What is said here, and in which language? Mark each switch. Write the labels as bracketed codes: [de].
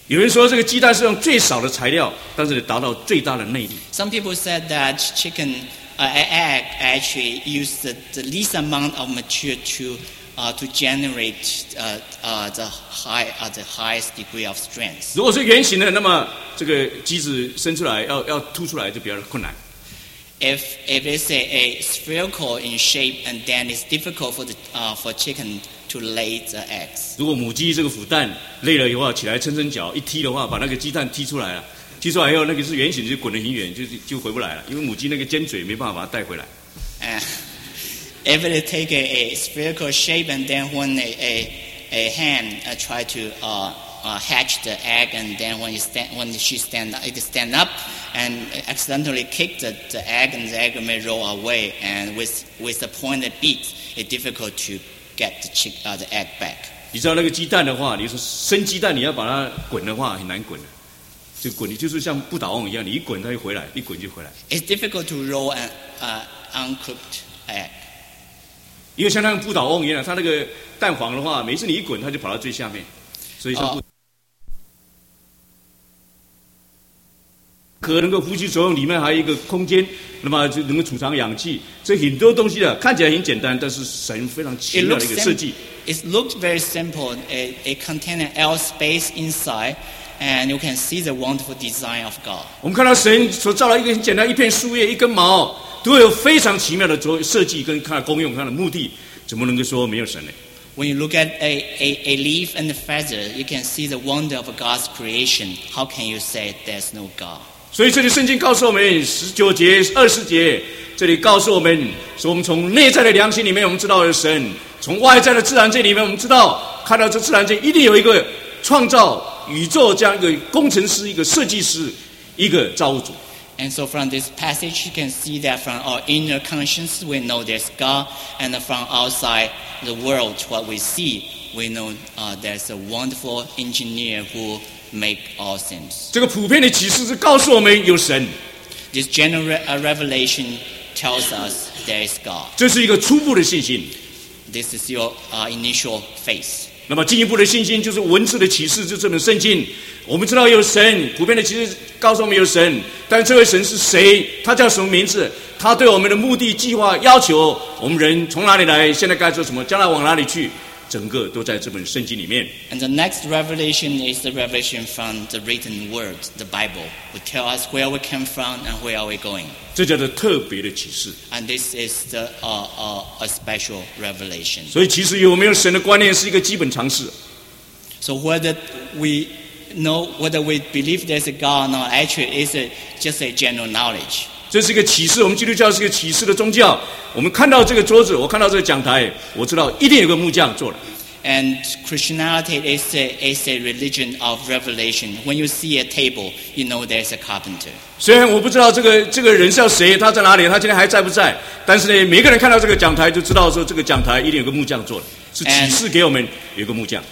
[zh] 有人说这个鸡蛋是用最少的材料，但是达到最大的内力。 [en] Some people said that chicken actually use the least amount of material to generate the highest degree of strength. [zh] 如果是圆形的，那么这个机子伸出来要凸出来就比较困难。 [en] If it's a spherical in shape, and then it's difficult for chicken to lay the eggs. [zh] 如果母鸡这个孵蛋累了以后起来撑撑脚一踢的话，把那个鸡蛋踢出来了。踢出来以后，那个是圆形，就滚得很远，就回不来了，因为母鸡那个尖嘴没办法把它带回来。 [en] If it take a spherical shape, and then when a hen try to hatch the egg, and then when she stand up, and accidentally kick the egg, and the egg may roll away, and with the pointed beak, it's difficult to get the egg back. [zh] 你知道那个鸡蛋的话，你说生鸡蛋，你要把它滚的话，很难滚的。就滚，就是像不倒翁一样，你一滚它就回来，一滚就回来。 [en] It's difficult to roll an uncooked egg. [zh] 因为像那个不倒翁一样，它那个蛋黄的话，每次你一滚，它就跑到最下面，所以像不可能够呼吸作用，里面还有一个空间，那么就能够储藏氧气。这很多东西的看起来很简单，但是神非常奇妙的一个设计。 [en] It looks very simple. It contains an air space inside. And you can see the wonderful design of God. [zh] 我们看到神所造了一个很简单一片树叶一根毛，都有非常奇妙的设计跟看功用，看的目的，怎么能够说没有神呢？ [en] When you look at a leaf and a feather, you can see the wonder of God's creation. How can you say there's no God? [zh] 所以这里圣经告诉我们十九节、二十节，这里告诉我们，说我们从内在的良心里面我们知道有神，从外在的自然界里面我们知道，看到这自然界一定有一个创造。宇宙这样一个工程师，一个设计师，一个造物主。 [en] And so from this passage, you can see that from our inner conscience, we know there's God, and from outside the world, what we see, we know there's a wonderful engineer who make all things. [zh] 这个普遍的启示是告诉我们有神。 [en] This general revelation tells us there is God. [zh] 这是一个初步的信心。 [en] This is your initial faith. [zh] 那么进一步的信心就是文字的启示，就是这本圣经。我们知道有神，普遍的其实告诉我们有神，但这位神是谁？他叫什么名字？他对我们的目的、计划、要求，我们人从哪里来？现在该做什么？将来往哪里去？整个都在这本圣经里面。 [en] And the next revelation is the revelation from the written word, the Bible, which tells us where we came from and where are we going. [zh] 这叫做特别的启示。 [en] And this is the a special revelation. [zh] 所以其实有没有神的观念是一个基本常识。 [en] So whether we know whether we believe there's a God or not, actually is just a general knowledge. [zh] 这是一个启示，我们基督教是一个启示的宗教。我们看到这个桌子，我看到这个讲台，我知道一定有个木匠做的。 [en] And Christianity is a religion of revelation. When you see a table, you know there's a carpenter. [zh] 虽然我不知道这个人是谁，他在哪里，他今天还在不在，但是呢，每个人看到这个讲台就知道说这个讲台一定有个木匠做的，是启示给我们有个木匠。